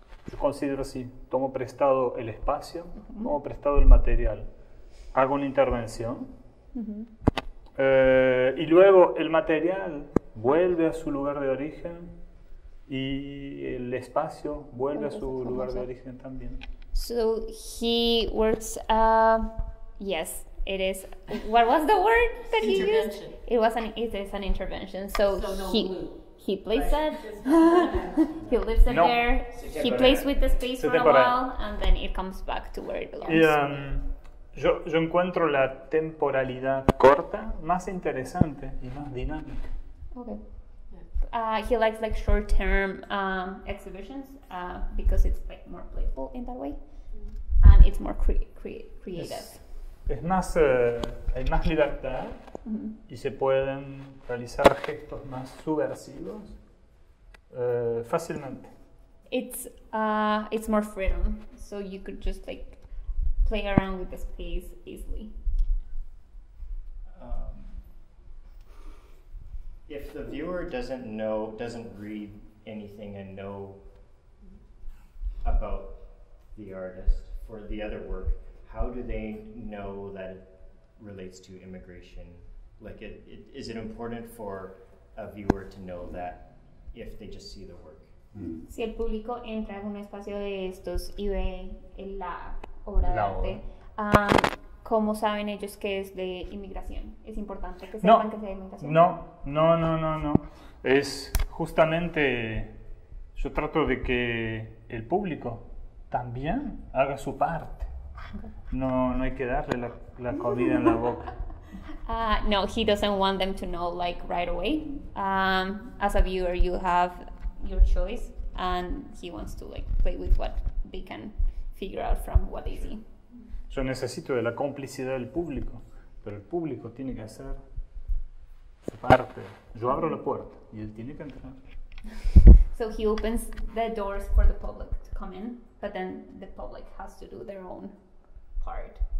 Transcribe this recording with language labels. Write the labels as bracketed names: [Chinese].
[Spanish] Yo considero así, tomo prestado el espacio, tomo prestado el material. Hago una intervención. Y luego el material vuelve a su lugar de origen y el espacio vuelve a su lugar de origen también. [English] So he works, yes, it is, what was the word that he used? It was an, it is an intervention. So, he plays that, he lives in there, he plays with the space for a while, and then it comes back to where it belongs. [Spanish] Yo encuentro la temporalidad corta más interesante y más dinámica. [English] Okay. He likes like short-term exhibitions because it's like more playful in that way. And it's more creative. [Spanish] Es más, hay más libertad y se pueden realizar gestos más subversivos fácilmente. [English] It's more freedom. So you could just like play around with the space easily. If the viewer doesn't know, doesn't read anything and know about the artist for the other work, how do they know that it relates to immigration? Like, it is it important for a viewer to know that if they just see the work? [Spanish] Si el público entra en un espacio de estos y ve el lab. Obra de arte. ¿Cómo saben ellos que es de inmigración? ¿Es importante que sepan que es de inmigración? No. Es justamente, yo trato de que el público también haga su parte. No hay que darle la comida en la boca. [English] No, he doesn't want them to know like right away. As a viewer, you have your choice and he wants to like play with what they can figure out from what they see. [Spanish] Yo necesito de la complicidad del público, pero el público tiene que hacer su parte. Yo abro la puerta y él tiene que entrar. [English] So he opens the doors for the public to come in, but then the public has to do their own part.